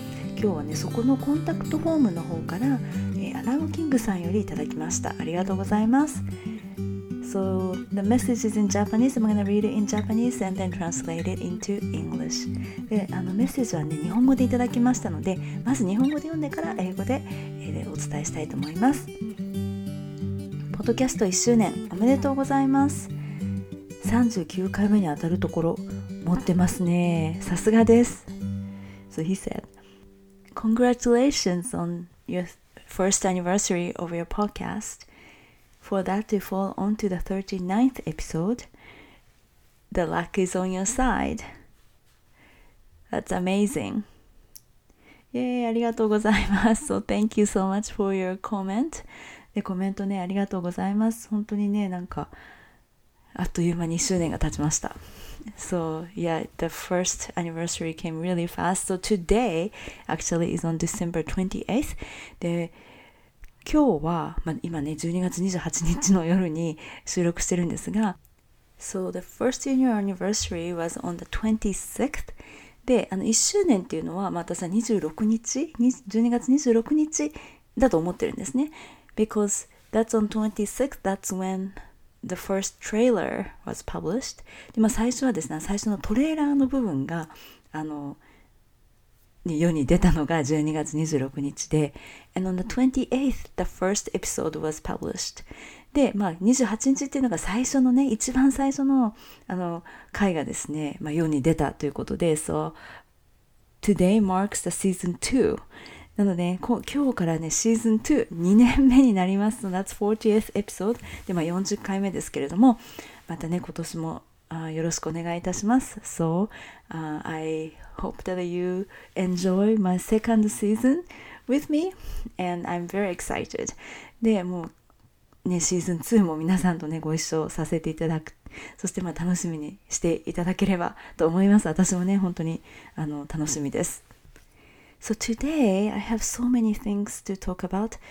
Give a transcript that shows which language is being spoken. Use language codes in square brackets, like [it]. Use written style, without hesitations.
[ja] 今日はね、そこのコンタクトフォームの方からアナゴキングさんよりいただきました。ありがとうございます。 [en] So, the message is in Japanese. I'm going to read it in Japanese and then translate it into English. [ja] で、メッセージはね、日本語でいただきましたので、まず日本語で読んでから英語で、お伝えしたいと思います。ポッドキャスト1周年、おめでとうございます。 39回目に当たるところ、持ってますね。さすがです。 [en] So he said, Congratulations on your first anniversary of your podcast. For that to fall onto the 39th episode, the luck is on your side. That's amazing. Yay, [ja] ありがとうございます。 [en] So thank you so much for your comment. [ja] で、コメントね、ありがとうございます。本当にね、なんか、あっという間に1周年が経ちました。 [en] So yeah, the first anniversary came really fast. So today actually is on December 28th. [ja] で、今日は、まあ、今ね、12月28日の夜に収録してるんですが、 [en] So the first year anniversary was on the 26th. [ja] で、1周年っていうのは、またさ、26日、12月26日だと思ってるんですね。 [en] Because that's on 26th, that's when the first trailer was published. [ja] で、まあ、最初はですね、最初のトレーラーの部分が、世に出たのが12月26日で、 [en] And on the 28th, the first episode was published. [ja] で、まあ、28日っていうのが最初のね、一番最初の、回がですね、まあ、世に出たということで、 [en] So, today marks the season 2. [ja] なので、今日からね、シーズン2、2年目になります。 [en] So that's 40th episode. [ja] で、まあ、40回目ですけれども、またね、今年も、よろしくお願いいたします。 [en] So, I hope that you enjoy my second season with me, and I'm very excited. [ja] で、もうね、シーズン2も皆さんとね、ご一緒させていただく、そしてまあ楽しみにしていただければと思います。私もね、本当に楽しみです。 [en] So today, I have so many things to talk about.